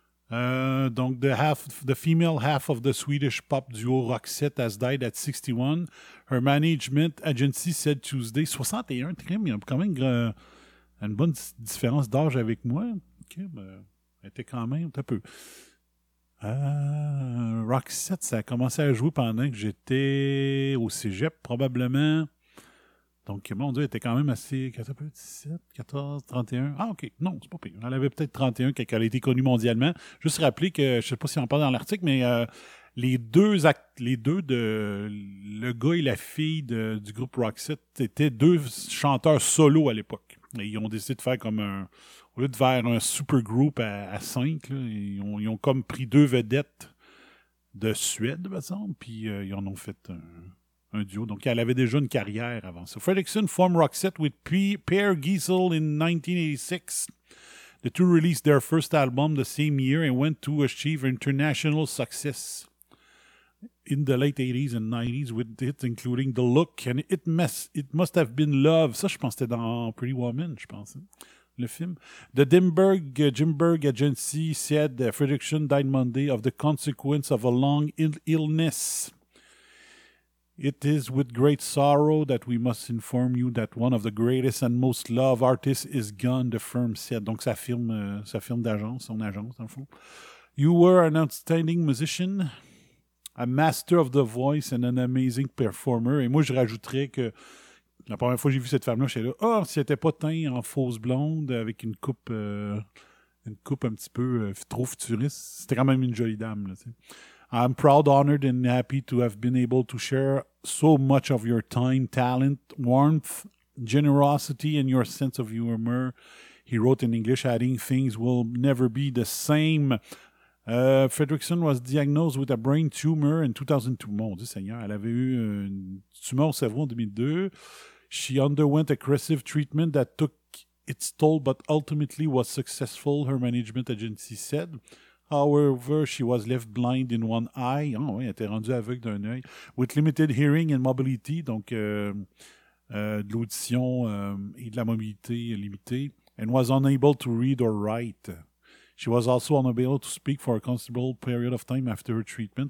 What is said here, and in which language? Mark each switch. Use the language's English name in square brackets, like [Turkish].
[English] Donc, the female half of the Swedish pop duo Roxette has died at 61. Her management agency said Tuesday. [French] 61, trim, il y a quand même une bonne différence d'âge avec moi. OK, ben, elle était quand même un peu... Roxette, ça a commencé à jouer pendant que j'étais au cégep, probablement. Donc, mon Dieu, elle était quand même assez... 17, 14, 31... Ah, OK. Non, c'est pas pire. Elle avait peut-être 31 quand elle a été connue mondialement. Juste rappeler que, je sais pas si on parle dans l'article, mais le gars et la fille du groupe Roxette étaient deux chanteurs solo à l'époque. Et ils ont décidé de faire comme un... Au lieu de faire un super groupe à 5, ils ont comme pris deux vedettes de Suède, par exemple, puis ils en ont fait un duo. Donc, elle avait déjà une carrière avant ça. [English] Fredrickson formed Roxette with Per Gessle in 1986. The two released their first album the same year and went to achieve international success in the late 80s and 90s with hits including The Look and It Must Have Been Love. [French] Ça, je pense que c'était dans Pretty Woman, je pense. Le film. [English] The Jimberg Agency said that Fredrickson died Monday of the consequence of a long illness. It is with great sorrow that we must inform you that one of the greatest and most loved artists is gone, the firm said. [French] Donc, sa firme d'agence, son agence, dans le fond. [English] You were an outstanding musician, a master of the voice, and an amazing performer. [French] Et moi, je rajouterais que la première fois que j'ai vu cette femme-là, j'étais là, « Oh, si elle était pas teinte en fausse blonde avec une coupe un petit peu trop futuriste, c'était quand même une jolie dame. » Là, [English] I'm proud, honored, and happy to have been able to share so much of your time, talent, warmth, generosity, and your sense of humor. He wrote in English, adding, things will never be the same. Fredrickson was diagnosed with a brain tumor in 2002. [French] Mon Dieu Seigneur, elle avait eu une tumeur au cerveau en 2002. [English] She underwent aggressive treatment that took its toll but ultimately was successful, her management agency said. However, she was left blind in one eye. [French] Oh, oui, elle était rendue aveugle d'un œil. [English] With limited hearing and mobility, [French] donc de l'audition et de la mobilité limitée, [English] and was unable to read or write. She was also unable to speak for a considerable period of time after her treatment.